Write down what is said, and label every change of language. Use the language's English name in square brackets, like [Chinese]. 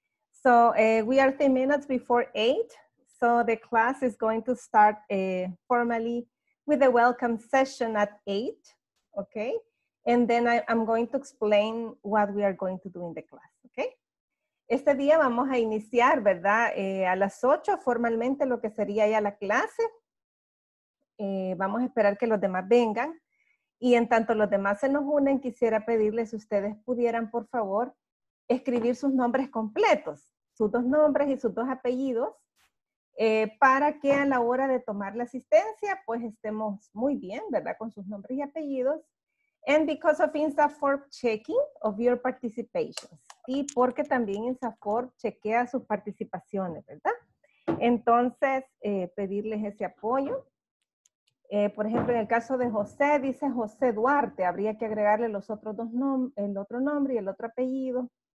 [English] So we are 10 minutes before 8. So the class is going to start formally with a welcome session at 8, okay? And then I'm going to explain what we are going to do in the class. [Spanish] Este día vamos a iniciar, ¿verdad? A las 8 formalmente lo que sería ya la clase. Vamos a esperar que los demás vengan. Y en tanto los demás se nos unen, quisiera pedirles si ustedes pudieran, por favor, escribir sus nombres completos, sus dos nombres y sus dos apellidos, para que a la hora de tomar la asistencia, pues estemos muy bien, ¿verdad? Con sus nombres y apellidos. [English] And because of InstaForm checking of your participation. [Spanish] Y porque también InstaForm chequea sus participaciones, ¿verdad? Entonces, pedirles ese apoyo. Por ejemplo, en el caso de José, dice José Duarte. Habría que agregarle los otros dos el otro nombre y el otro apellido.